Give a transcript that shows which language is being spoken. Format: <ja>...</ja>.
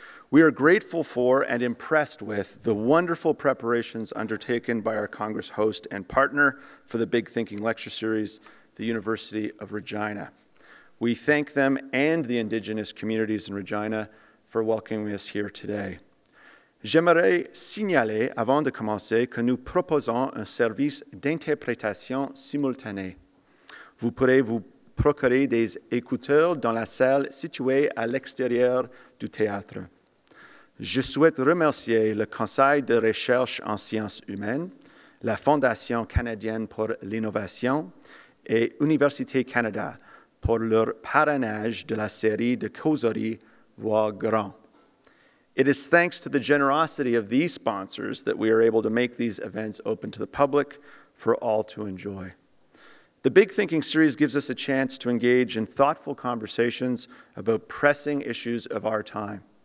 <en>We are grateful for and impressed with the wonderful preparations undertaken by our Congress host and partner for the Big Thinking Lecture Series, the University of Regina. We thank them and the Indigenous communities in Regina for welcoming us here today.</en> <fr>J'aimerais signaler avant de commencer que nous proposons un service d'interprétation simultanée. Vous pourrez vous procurer des écouteurs dans la salle située à l'extérieur du théâtre. Je souhaite remercier le Conseil de recherche en sciences humaines, la Fondation canadienne pour l'innovation et Université Canada pour leur parrainage de la série de causerie Voix Grand.</fr> <en>It is thanks to the generosity of these sponsors that we are able to make these events open to the public for all to enjoy. The Big Thinking Series gives us a chance to engage in thoughtful conversations about pressing issues of our time.</en>